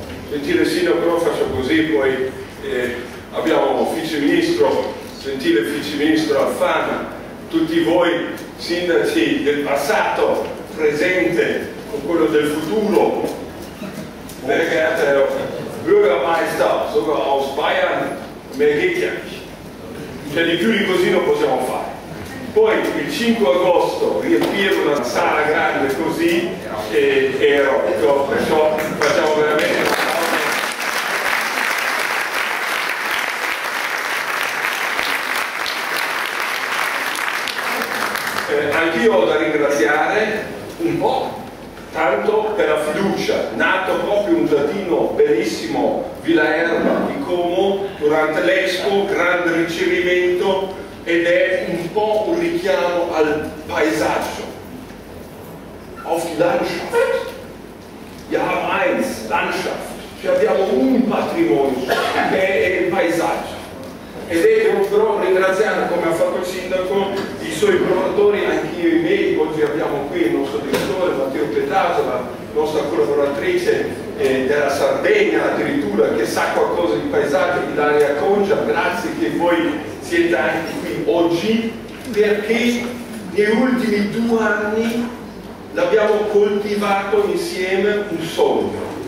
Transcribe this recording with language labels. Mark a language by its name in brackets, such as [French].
[Italian] gentile sindaco, no, faccio così, poi abbiamo vice ministro, gentile vice ministro Alfano, tutti voi sindaci del passato, presente, con quello del futuro. [German] Verehrter Bürgermeister, sogar aus Bayern, mehr geht ja nicht. [Italian] Cioè, di più di così non possiamo fare. Poi il 5 agosto riempiamo una sala grande così e ero, perciò facciamo veramente. Anch'io ho da ringraziare un po', tanto per la fiducia, nato proprio un giardino bellissimo, Villa Erba di Como, durante l'Expo, grande ricevimento, ed è un po' un richiamo al paesaggio. [German] Auf die Landschaft. Wir haben eins, Landschaft. [Italian] Cioè abbiamo un patrimonio, che è il paesaggio. E devo però ringraziare, come ha fatto il sindaco, i suoi collaboratori, anche io e i miei. Oggi abbiamo qui il nostro direttore Matteo Petato, la nostra collaboratrice della Sardegna addirittura, che sa qualcosa di paesaggio, di Daria Concia, grazie che voi siete anche qui oggi, perché negli ultimi 2 anni l'abbiamo coltivato insieme un sogno.